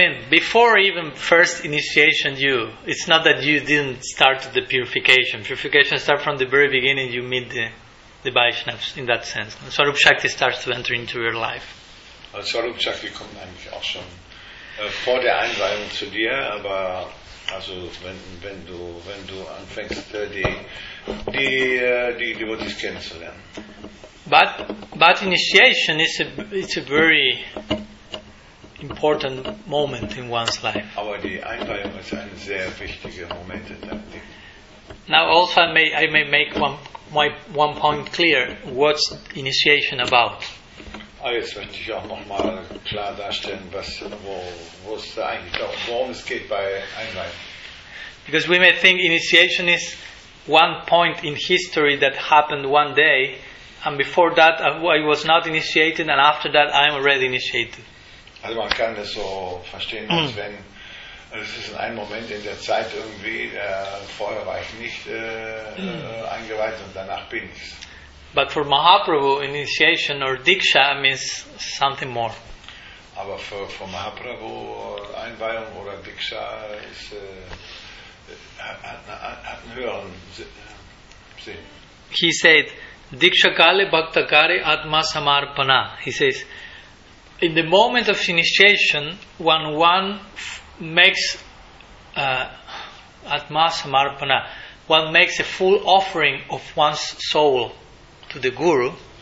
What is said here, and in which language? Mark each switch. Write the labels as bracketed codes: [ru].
[en] Before even first initiation, it's not that you didn't start the purification. Purification starts from the very beginning, you meet the Vaishnavas in that sense. Swarup Shakti starts to enter into your life. [de] Swarup Shakti kommt eigentlich auch schon vor der Einweihung zu dir, aber also wenn du anfängst die Devotees kennenzulernen. [en] But initiation is a very important moment in one's life. [de] Aber die Einweihung ist ein sehr wichtiger Moment in deinem Leben. [en] Now also I may make one point clear. What's initiation about? [de] Ah, jetzt möchte ich auch nochmal klar darstellen, wo es eigentlich auch, worum es geht bei Einweihung. [en] Because we may think initiation is one point in history that happened one day, and before that I was not initiated, and after that I'm already initiated. [de] Also man kann das so verstehen, als wenn es ist ein Moment in der Zeit irgendwie, vorher war ich nicht eingeweiht und danach bin ich es. [en] But for Mahaprabhu, initiation or diksha means something more. [de] Aber für Mahaprabhu, Einweihung oder diksha ist, hat einen höheren Sinn. [en] He said, [bn] diksha kale bhakta kare atma samarpana. [en] He says, in the moment of initiation, when one makes atma samarpana, one makes a full offering of one's soul. to the Guru.